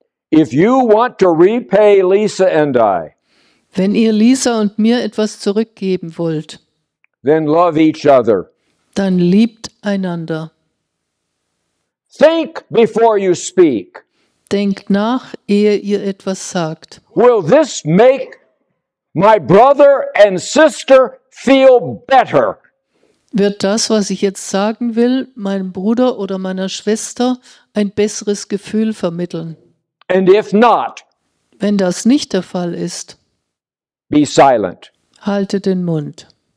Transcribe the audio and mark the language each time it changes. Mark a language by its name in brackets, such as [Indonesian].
[English] If you want to repay Lisa and I, [German] wenn ihr Lisa und mir etwas zurückgeben wollt, [English] then love each other. [German] Dann liebt einander. [English] Think before you speak. [German] Denkt nach, ehe ihr etwas sagt. [English] Will this make my brother and sister feel better? [German] Wird das, was ich jetzt sagen will, meinem Bruder oder meiner Schwester ein besseres Gefühl vermitteln? [English] And if not, [German] wenn das nicht der Fall ist, [English] be silent. [German] Halte den Mund.